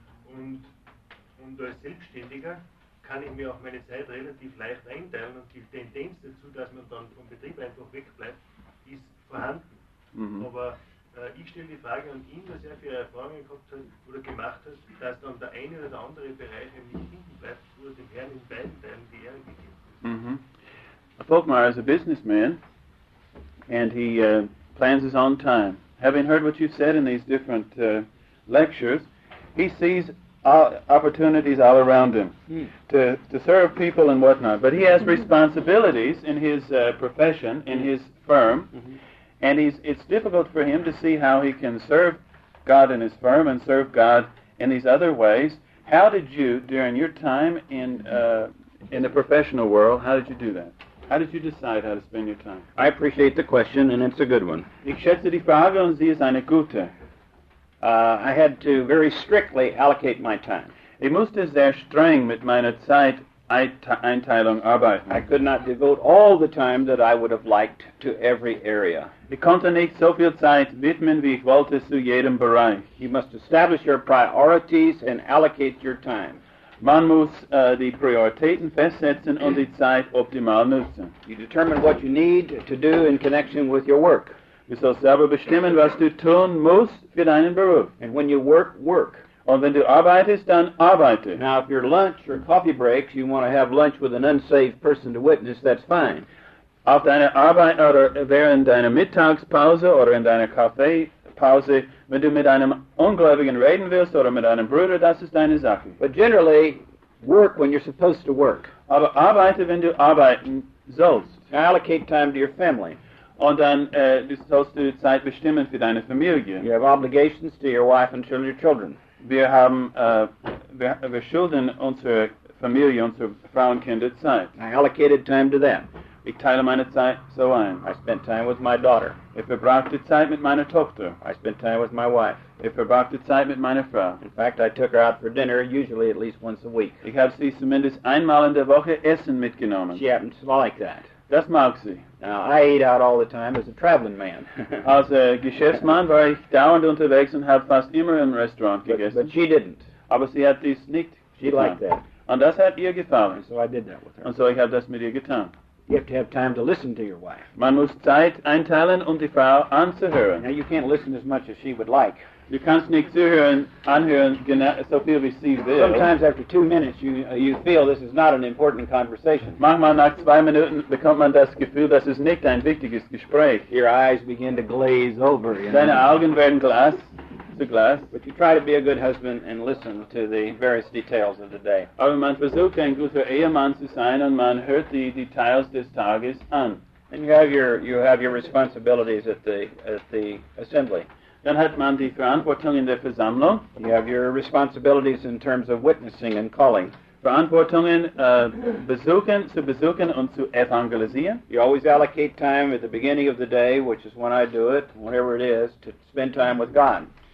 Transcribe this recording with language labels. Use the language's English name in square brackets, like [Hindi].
[German] Und als Selbstständiger kann ich mir auch meine Zeit relativ leicht einteilen, und die Tendenz dazu, dass man dann vom Betrieb einfach wegbleibt, ist vorhanden. Mhm. Aber ich stelle die Frage an ihn, was er für Erfahrungen gehabt hat oder gemacht hat, dass dann der eine oder der andere Bereich nicht hinten bleibt, wo er dem Herrn in beiden Teilen die Ehre gegeben hat. Mm-hmm. [English] Volkmar is a businessman and he plans his own time. Having heard what you've said in these different lectures, he sees opportunities all around him to serve people and whatnot. But he has responsibilities in his profession, in his firm, and it's difficult for him to see how he can serve God in his firm and serve God in these other ways. How did you, during your time in the professional world, how did you do that? How did you decide how to spend your time? I appreciate the question, and it's a good one. [German] Ich schätze die Frage, und sie ist eine gute. [English] I had to very strictly allocate my time. [German] Ich musste sehr streng mit meiner Zeit Einteilung arbeiten. [English] I could not devote all the time that I would have liked to every area. [German] Ich konnte nicht so viel Zeit widmen, wie ich wollte, zu jedem Bereich. [English] You must establish your priorities and allocate your time. [German] Man muss die Prioritäten festsetzen und die Zeit optimal nutzen. [English] You determine what you need to do in connection with your work. [German] Du sollst selber bestimmen, was du tun musst für deinen Beruf. [English] And when you work, work. [German] Und wenn du arbeitest, dann arbeite. [English] Now, if your lunch or coffee breaks, you want to have lunch with an unsaved person to witness, that's fine. [German] auf deiner Arbeit oder während deiner Mittagspause oder in deiner Kaffeepause, wenn du mit einem Ungläubigen reden willst oder mit einem Bruder, das ist deine Sache. [English] But generally, work when you're supposed to work. [German] Aber arbeite, wenn du arbeiten sollst. [English] Allocate time to your family. [German] Und dann du sollst du Zeit bestimmen für deine Familie. [English] You have obligations to your wife and your children. [German] Wir haben wir schulden unsere Familie, unsere Frau und Kinder Zeit. [English] I allocated time to them. [German] Ich teile meine Zeit so ein. [English] I spent time with my daughter. [German] Ich verbrachte Zeit mit meiner Tochter. [English] I spent time with my wife. [German] Ich verbrachte Zeit mit meiner Frau. [English] In fact, I took her out for dinner, usually at least once a week. [German] Ich habe sie zumindest einmal in der Woche Essen mitgenommen. [English] She happens to like that. [German] Das mag sie. [English] Now, I ate out all the time as a traveling man. [German] Als Geschäftsmann war ich dauernd unterwegs und habe fast immer im Restaurant gegessen. [English] But she didn't. [German] Aber sie hat dies nicht getan. [English] She liked that. [German] Und das hat ihr gefallen. [English] And so I did that with her. [German] Und so ich habe das mit ihr getan. [English] You have to have time to listen to your wife. [German] Man muss Zeit einteilen, um die Frau anzuhören. [English] Now, you can't listen as much as she would like. [German] Du kannst nicht zuhören, anhören, so viel wie sie will. [English] Sometimes after 2 minutes, you feel this is not an important conversation. [German] Manchmal nach 2 Minuten bekommt man das Gefühl, das ist nicht ein wichtiges Gespräch. [English] Your eyes begin to glaze over. [German] Deine Augen werden glas. Glass. [English] But you try to be a good husband and listen to the various details of the day. [German] Aber man versucht ein guter Ehemann zu sein und man hört die Details des Tages an. [English] And you have your responsibilities at the assembly. [German] Dann hat man die Verantwortung in der Versammlung. [English] You have your responsibilities in terms of witnessing and calling. [German] Verantwortungen zu besuchen und zu evangelisieren. [English] You always allocate time at the beginning of the day, which is when I do it, whatever it is, to spend time with God.